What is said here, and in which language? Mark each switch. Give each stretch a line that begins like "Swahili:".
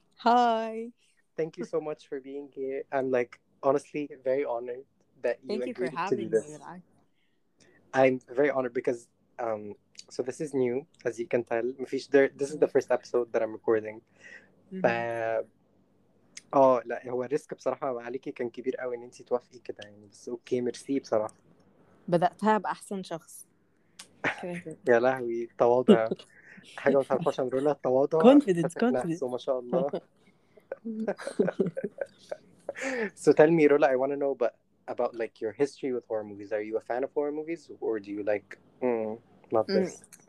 English: Hi. Thank you so much for being here. I'm like honestly very honored that you agreed to do this. Thank you for having me. I'm very honored because so this is new, as you can tell. This is the first episode that I'm recording. Mm-hmm.
Arabic: لا هو الريسك بصراحة عليكي كان كبير قوي ان انتي توافقي كده يعني، بس اوكي ميرسي بصراحة. بدأتها بأحسن شخص كده كده. يا لهوي التواضع، حاجة ما تعرفهاش عن رولا، التواضع
English: confident
Arabic: ثق نفسه
English: confident.
Arabic: ما شاء الله.
English: So tell me رولا، I want to know about like your history with horror movies. Are you a fan of horror movies or do you like not this?